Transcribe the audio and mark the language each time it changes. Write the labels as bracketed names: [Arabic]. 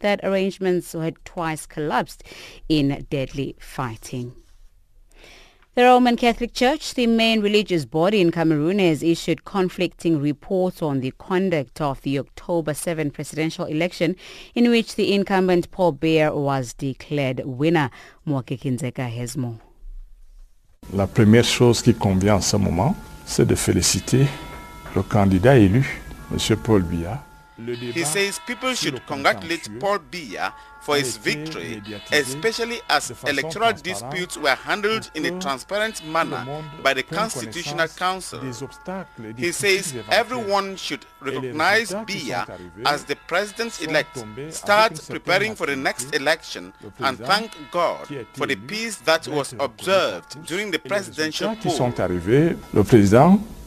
[English] That arrangements had twice collapsed in deadly fighting. The Roman Catholic Church, the main religious body in Cameroon, has issued conflicting reports on the conduct of the October 7 presidential election, in which the incumbent Paul Biya was declared winner. Mwake Kinzeka has more. [French] La première chose qui convient en ce moment, c'est de féliciter le candidat élu, Monsieur Paul Biya. [English] He says people should congratulate Paul Biya for his victory, especially as electoral disputes were handled in a transparent manner by the Constitutional Council. He says everyone should recognize Biya as the president-elect, start preparing for the next election, and thank God for the peace that was observed during the presidential poll.